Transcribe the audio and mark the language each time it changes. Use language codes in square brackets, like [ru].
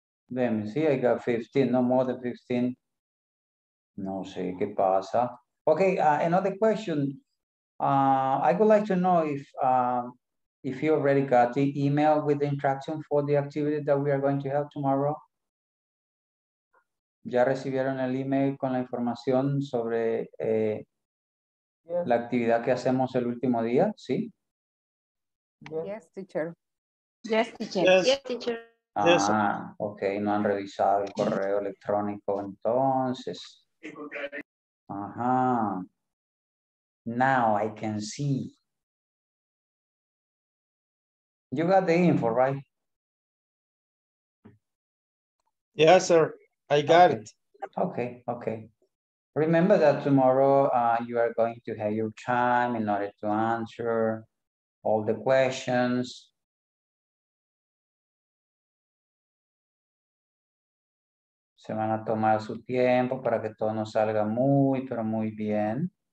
[en] Let me see, I got 15, no more than 15. [es] No sé qué pasa. [en] Okay, another question. I would like to know if you already got the email with the instruction for the activity that we are going to have tomorrow. [es] ¿Ya recibieron el email con la información sobre la actividad que hacemos el último día? ¿Sí? [en] Yes, teacher. Yes, teacher. Yes, teacher. Yes, teacher. Ah, okay. [es] No han revisado el correo electrónico entonces. Ajá. [en] Now I can see. You got the info, right? Yes, sir. I got it. Okay. Remember that tomorrow you are going to have your time in order to answer all the questions. [es] Se van a tomar su tiempo para que todo nos salga muy, pero muy bien.